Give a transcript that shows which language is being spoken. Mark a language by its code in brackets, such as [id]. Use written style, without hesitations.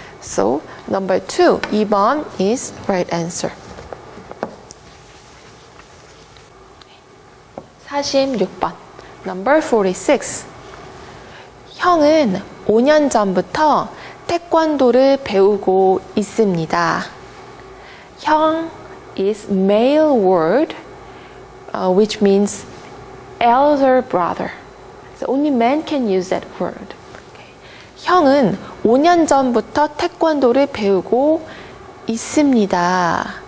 [en] So, number 2, 2번 is right answer. [ko] 46번. [en] Number 46. [ko] 형은 5년 전부터 태권도를 배우고 있습니다. [en] 형 is male word, which means elder brother. So only men can use that word. Okay. [ko] 형은 5년 전부터 태권도를 배우고 있습니다.